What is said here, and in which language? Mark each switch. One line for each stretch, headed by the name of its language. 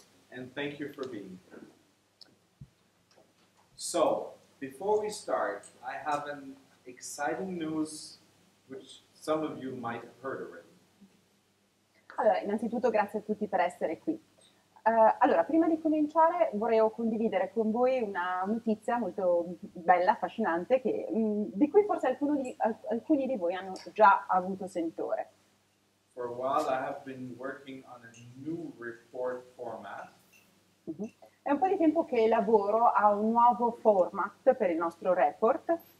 English: And thank you for being here. So, before we start, I have an exciting news which some of you might have heard already.
Italian: Allora, innanzitutto grazie a tutti per essere qui. Allora, prima di cominciare vorrei condividere con voi una notizia molto bella, affascinante, che, di cui forse alcuni di voi hanno già avuto sentore.
English: For a while I have been working on a new report format.
Italian: È un po' di tempo che lavoro a un nuovo format per il nostro report.